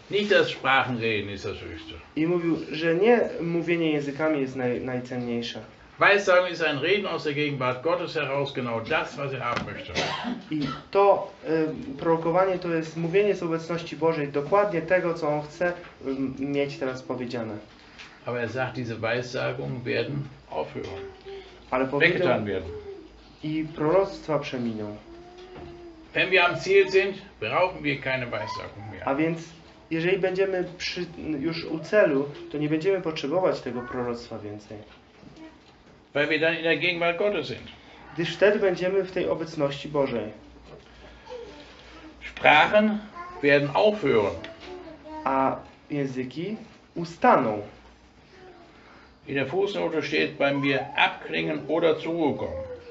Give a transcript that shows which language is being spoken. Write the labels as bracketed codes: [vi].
[de] Nicht das Sprachenreden ist das höchste. [pl] I mówił, że nie mówienie językami jest najcenniejsze. [de] Weissagung ist ein Reden aus der Gegenwart Gottes heraus, genau das, was er haben möchte. [pl] I to prorokowanie to jest mówienie z obecności Bożej, dokładnie tego, co on chce mieć teraz powiedziane. [de] Aber er sagt, diese Weissagungen werden aufhören. [pl] Ale [de] weggetan werden. [pl] I proroctwa przeminą. [de] Wenn wir am Ziel sind, brauchen wir keine Weissagung mehr. [pl] A więc jeżeli będziemy już u celu, to nie będziemy potrzebować tego proroctwa więcej. [de] Weil wir dann in der Gegenwart Gottes sind. [pl] Gdyż wtedy będziemy w tej obecności Bożej. [de] Sprachen werden aufhören. [pl] A języki ustaną. [de] In der Fußnote steht bei mir abklingen oder zurückkommen.